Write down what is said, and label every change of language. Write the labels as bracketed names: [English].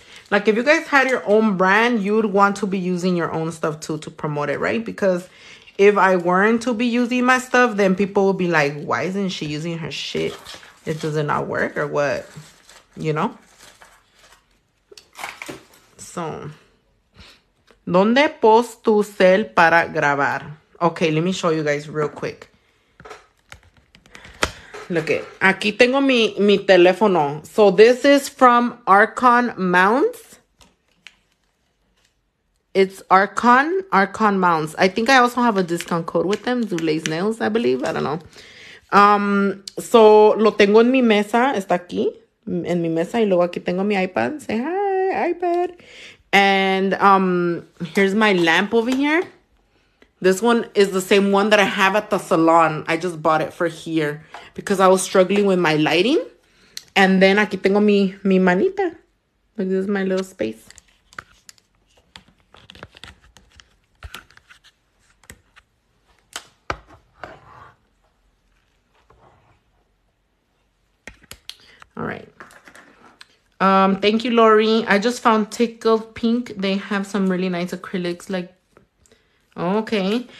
[English] Like, if you guys had your own brand, you'd want to be using your own stuff too to promote it, right? Because if I weren't to be using my stuff, then people would be like, why isn't she using her shit? It does it not work or what? You know? So... [Spanish] ¿Dónde pones tu cel para grabar? [English] Okay, let me show you guys real quick. Look it. [Spanish] Aquí tengo mi teléfono. [English] So this is from Archon Mounts. It's Archon Mounts. I think I also have a discount code with them. Zule's Nails, I believe. I don't know. [Spanish] So lo tengo en mi mesa. Está aquí en mi mesa. Y luego aquí tengo mi iPad. [English] Say hi, iPad. And here's my lamp over here. This one is the same one that I have at the salon. I just bought it for here because I was struggling with my lighting. And then [Spanish] aquí tengo mi manita. [English] Look, this is my little space. All right. Thank you, Lori. I just found Tickled Pink. They have some really nice acrylics. Like, Okay.